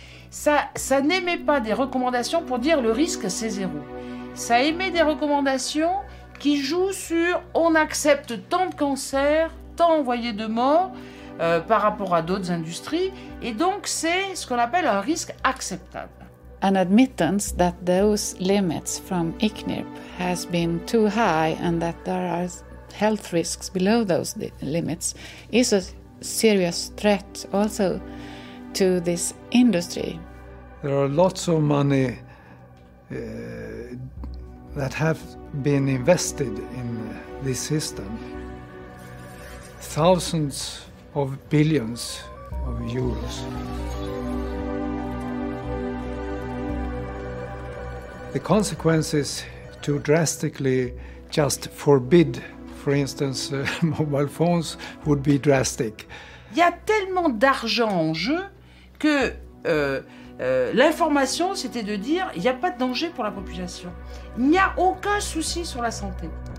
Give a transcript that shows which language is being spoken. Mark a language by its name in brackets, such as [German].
[French] Ça n'émet pas des recommandations pour dire le risque c'est zéro. Ça émet des recommandations qui jouent sur on accepte tant de cancers, tant envoyés de morts par rapport à d'autres industries, et donc c'est ce qu'on appelle un risque acceptable. [English] An admittance that those limits from ICNIRP has been too high and that there are health risks below those limits is a serious threat also to this industry. There are lots of money that have been invested in this system. Thousands of billions of euros. The consequences to drastically just forbid, for instance, mobile phones would be drastic. [French] Il y a tellement d'argent en jeu que l'information, c'était de dire il n'y a pas de danger pour la population. Il n'y a aucun souci sur la santé.